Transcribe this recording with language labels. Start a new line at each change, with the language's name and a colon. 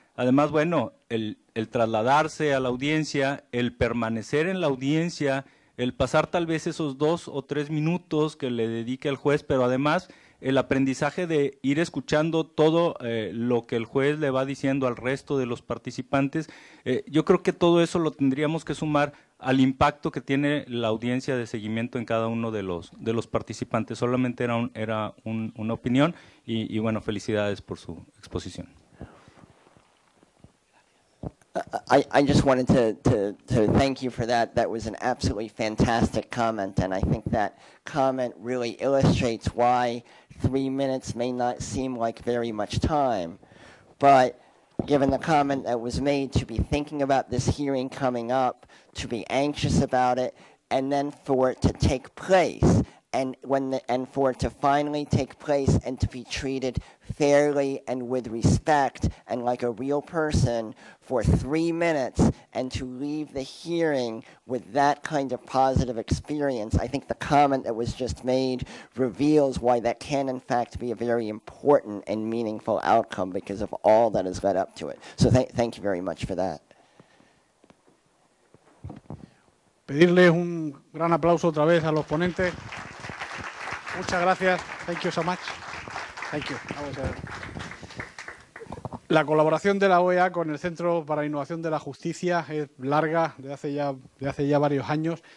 Spanish: Además, bueno, el trasladarse a la audiencia, el permanecer en la audiencia, el pasar tal vez esos dos o tres minutos que le dedique al juez, pero además el aprendizaje de ir escuchando todo lo que el juez le va diciendo al resto de los participantes, yo creo que todo eso lo tendríamos que sumar al impacto que tiene la audiencia de seguimiento en cada uno de los participantes. Solamente era una opinión y bueno, felicidades por su exposición.
English: I just wanted to thank you for that. That was an absolutely fantastic comment, and I think that comment really illustrates why 3 minutes may not seem like very much time. But given the comment that was made, to be thinking about this hearing coming up, to be anxious about it, and then for it to take place, and for it to finally take place and to be treated fairly and with respect and like a real person for 3 minutes and to leave the hearing with that kind of positive experience, I think the comment that was just made reveals why that can in fact be a very important and meaningful outcome because of all that has led up to it. So thank you very much for that.
Spanish: Pedirle un gran aplauso otra vez a los ponentes. Muchas gracias.
English: Thank you so much. Thank you.
Spanish: Vamos a ver. La colaboración de la OEA con el Centro para la Innovación de la Justicia es larga, de hace ya varios años.